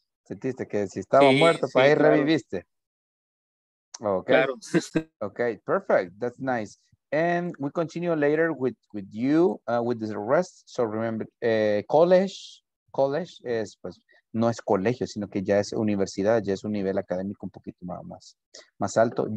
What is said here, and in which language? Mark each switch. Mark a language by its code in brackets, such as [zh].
[es] Sentiste que si estaba muerto, para ahí claro. Reviviste. Okay. Claro. [en] Okay, perfect. That's nice. And we continue later with you, with the rest. [es] So remember, college es, pues, no es colegio, sino que ya es universidad, ya es un nivel académico un poquito más alto.